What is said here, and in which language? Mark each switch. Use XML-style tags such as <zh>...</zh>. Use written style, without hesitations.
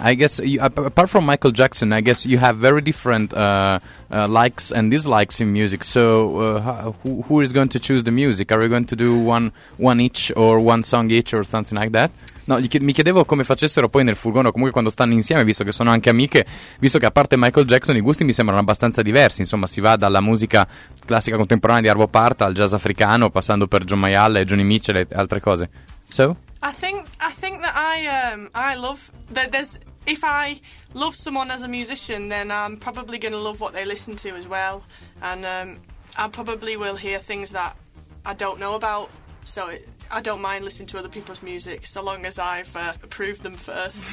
<en>I guess you, apart from Michael Jackson, I guess you have very different likes and dislikes in music. So who is going to choose the music? Are we going to do one each or one song each or something like that?</en> <it>No, mi chiedevo come facessero poi nel furgone, comunque quando stanno insieme, visto che sono anche amiche, visto che a parte Michael Jackson i gusti mi sembrano abbastanza diversi, insomma si va dalla musica classica contemporanea di Arvo Pärt al jazz africano, passando per John Mayall e Joni Mitchell e altre cose.</it> <en>So? I think that I love that there's, if I love someone as a musician, then I'm probably going to love what they listen to as well, and I probably will hear things that I don't know about, so it, I don't mind listening to other people's music, so long as I've approved them first.</en>